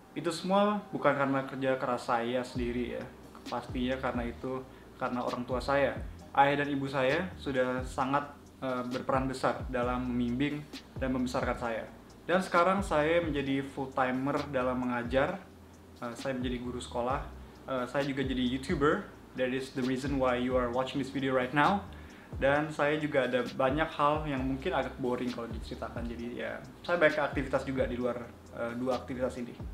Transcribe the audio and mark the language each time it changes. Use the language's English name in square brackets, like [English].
[Indonesian] Itu semua bukan karena kerja keras saya sendiri ya. Pastinya karena itu, karena orang tua saya. Ayah dan ibu saya sudah sangat berperan besar dalam membimbing dan membesarkan saya. Dan sekarang saya menjadi full-timer dalam mengajar. Saya menjadi guru sekolah. Saya juga jadi YouTuber. [English] That is the reason why you are watching this video right now. [Indonesian] Dan saya juga ada banyak hal yang mungkin agak boring kalau diceritakan. Jadi ya, saya banyak aktivitas juga di luar dua aktivitas ini.